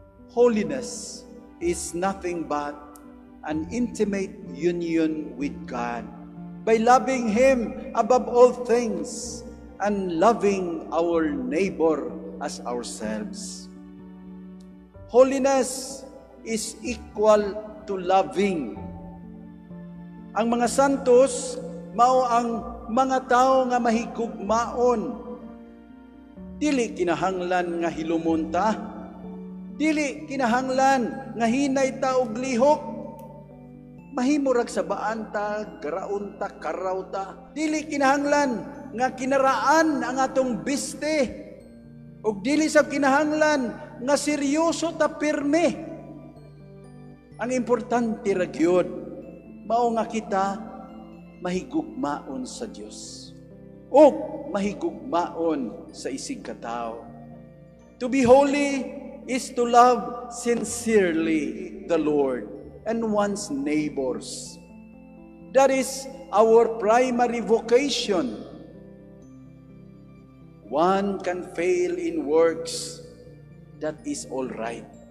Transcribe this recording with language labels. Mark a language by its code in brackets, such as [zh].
[en] Holiness is nothing but an intimate union with God by loving Him above all things and loving our neighbor as ourselves. Holiness is equal to loving. [ceb] Ang mga santos mao ang mga tao nga mahigugmaon. Dili kinahanglan nga hilumunta. Dili kinahanglan nga hinay ta og lihok. Mahimo rag sa baan ta, garaon ta, karaw ta. Dili kinahanglan nga kinaraan ang atong biste. Og dili sa kinahanglan nga seryoso ta pirme. Ang importante rag yun, mao nga kita mahigugmaon sa Dios. O mahigugmaon sa isig katao. [en] To be holy is to love sincerely the Lord and one's neighbors. That is our primary vocation. One can fail in works, that is all right.